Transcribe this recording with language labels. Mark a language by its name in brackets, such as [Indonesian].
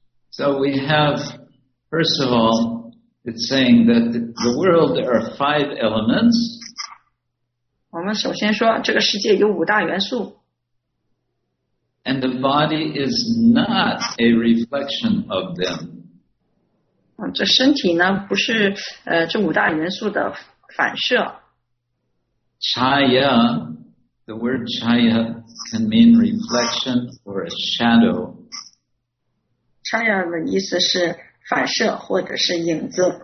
[English] So we have, first of all, it's saying that the world, there are five elements. [Chinese] 我们首先说，这个世界有五大元素。 [English] And the body is not a reflection of them. [Chinese] 这身体呢不是这五大元素的反射。 [English] Chaya, the word chaya can mean reflection or a shadow. [Chinese] Chaya 的意思是反射或者是影子。